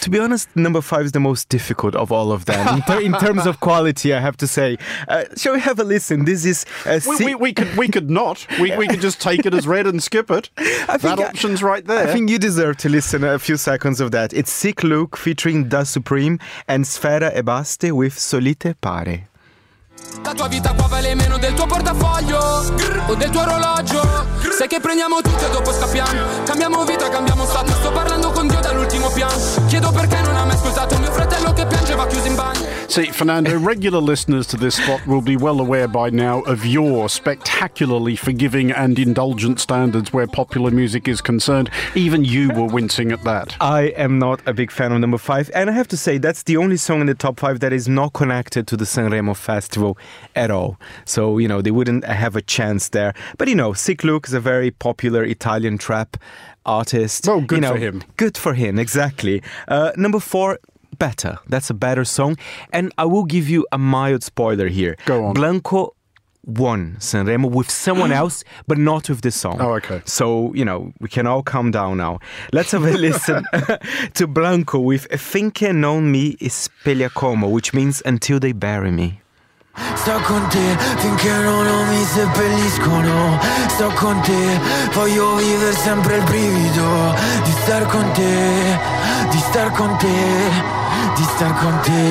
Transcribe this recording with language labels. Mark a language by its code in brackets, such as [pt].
[en] To be honest, number five is the most difficult of all of them. In terms of quality, I have to say. Shall we have a listen? This is... We could not. We could just take it as read and skip it. That option's right there. I think you deserve to listen a few seconds of that. It's Sick Luke featuring Da Supreme and Sfera Ebbasti with Solite Pare. [it] La tua vita qua vale meno del tuo portafoglio o del tuo orologio. Sai che prendiamo tutto e dopo scappiamo. Cambiamo vita, cambiamo stato. Sto parlando con Dio dall'ultimo piano. Chiedo perché non ha mai scusato mio fratello che piangeva chiuso in bagno. [en] See, Fernando, regular listeners to this spot will be well aware by now of your spectacularly forgiving and indulgent standards where popular music is concerned. Even you were wincing at that. I am not a big fan of number five. And I have to say, that's the only song in the top five that is not connected to the Sanremo Festival at all. So, you know, they wouldn't have a chance there. But, you know, Sick Luke is a very popular Italian trap artist. Well, good you know, for him. Good for him, exactly. Number four... Better. That's a better song. And I will give you a mild spoiler here. Go on. Blanco won Sanremo with someone else, but not with this song. Oh, okay. So, you know, we can all calm down now. Let's have a listen to Blanco with Finché non mi spellacomo, which means until they bury me. [it] Sto con te finché non mi seppelliscono. Sto con te, voglio vivere sempre il brivido di star con te, di star con te, di star con te.